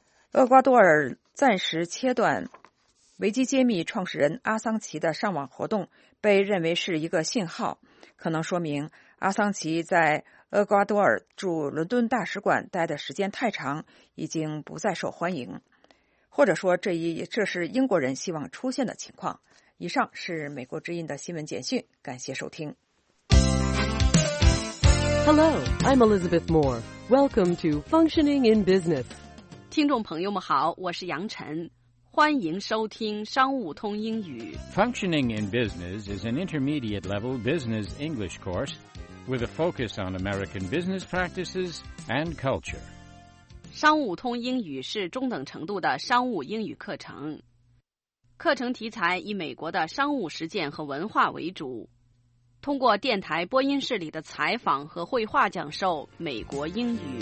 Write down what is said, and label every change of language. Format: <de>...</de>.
<zh>厄瓜多尔暂时切断维基揭秘创始人阿桑奇的上网活动，被认为是一个信号，可能说明阿桑奇在厄瓜多尔驻伦敦大使馆待的时间太长，已经不再受欢迎，或者说这是英国人希望出现的情况。以上是美国之音的新闻简讯，感谢收听。</zh> <en>Hello, I'm Elizabeth Moore. Welcome to Functioning in Business.</en> <zh>听众朋友们好，我是杨晨，欢迎收听商务通英语。</zh> <en>Functioning in Business is an intermediate level business English course with a focus on American business practices and culture.</en> <zh>商务通英语是中等程度的商务英语课程。课程题材以美国的商务实践和文化为主，通过电台播音室里的采访和绘画讲授美国英语。</zh>